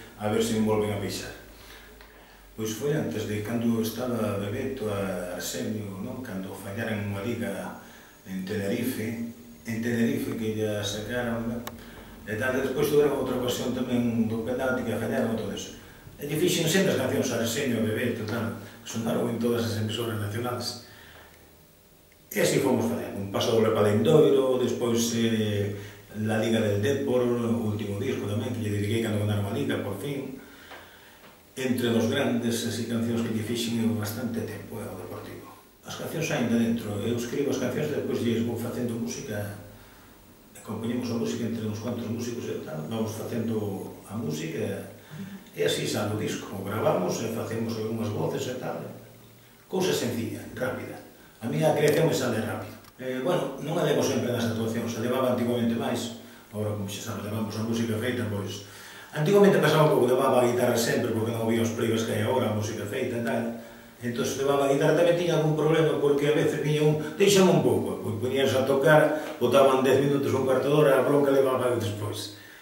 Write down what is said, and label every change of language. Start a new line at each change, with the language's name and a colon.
Spanish: A ver si me vuelven a pisar. Pues fue antes de cuando estaba bebé, Arsenio, ¿no? Cuando fallara en una liga en Tenerife. En Tenerife que ya sacaron, e tal, después tuve otra ocasión también do penalti que fallaron todo eso.
Galician: E que fixen sempre as cancións a Arsenio, a Bebeto, tal, sonaron en todas as emisoras nacionales. E así fomos fallando, un paso doble para Lendoiro,
Spanish: después la Liga del Depor,
Galician: o último disco tamén, que lle dediquei cando ganaron a Liga, por fin. Entre dos grandes, así cancións que lle fixen bastante tempo, o Deportivo. As cancións aínda dentro, eu escribo as cancións e depois lles vou facendo música. Acompañamos a música entre uns cuantos músicos e tal, vamos facendo a música e así sale o disco. Gravamos e facemos algunhas voces e tal. Cousa sencilla, rápida.
Spanish: A mí a creación me sale rápido.
Galician: Bueno, non a levo sempre nas actuacións, a levaba antigamente máis. Agora, como xa sabes, levamos a música feita, pois... Antigamente pasaba un pouco, levaba a guitarra sempre, porque non había os pleibes que hai agora, a música feita e tal. Entón, levaba a guitarra, tamén tiña algún problema, porque a veces viña un, deixame un pouco, pois poñías a tocar, botaban 10 minutos ou un cuarto de hora, a bronca levaba despois.